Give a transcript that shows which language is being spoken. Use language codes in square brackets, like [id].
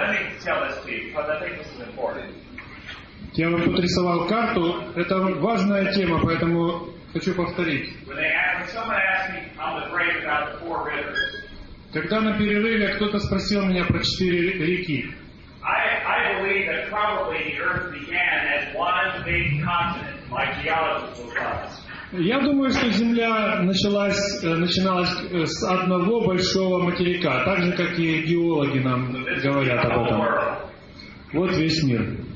[en] Let me tell this to you because I think this is important. [ru] Я вам тут рисовал карту. Это важная тема, поэтому хочу повторить. [en] When they asked, someone asked me on the break about the four rivers. [ru] Когда на перерыве кто-то спросил меня про четыре реки. [en] I believe that probably the Earth began as one big continent, my geologist will tell us. [ru] Я думаю, что Земля начиналась с одного большого материка, так же, как и геологи нам говорят об этом. Вот весь мир.